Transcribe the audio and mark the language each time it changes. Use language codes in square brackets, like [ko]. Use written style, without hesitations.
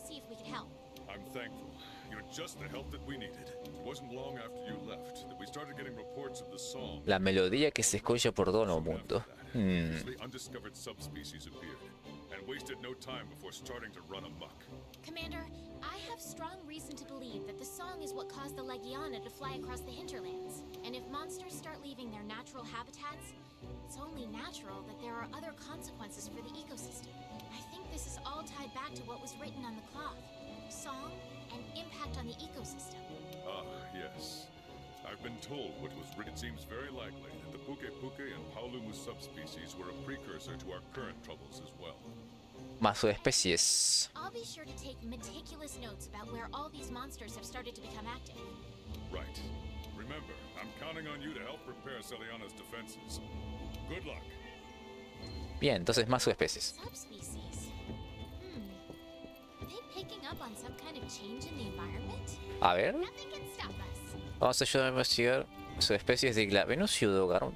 [en] See if we can help. I'm thankful. Your just the help that we needed. It wasn't long after you left that we started getting reports of the song. [es] La melodía que se escucha por todo el mundo. [en] Undiscovered subspecies appeared and wasted no time before starting to run amok. Commander, I have strong reason to believe that the song is what caused the Legiana to fly across the hinterlands. And if monsters start leaving their natural habitats, it's only natural that there are other consequences for the ecosystem. I think this is all tied back to what was written on the cloth. Song and impact on the ecosystem. Ah, yes. I've been told what was written. It seems very likely that the Puke Puke and Paulumu subspecies were a precursor to our current troubles as well. [es] Más subespecies. [en] I'll be sure to take meticulous notes about where all these monsters have started to become active. Right. Remember, I'm counting on you to help repair Celiana's defenses. Good luck. [es] Bien, entonces más subespecies. [en] Subspecies. Are they picking up on some kind of change in the environment? [es] A ver. [en] Nothing can stop us. [es] Vamos a ayudar a investigar subespecies de Glavenus y Udogaron.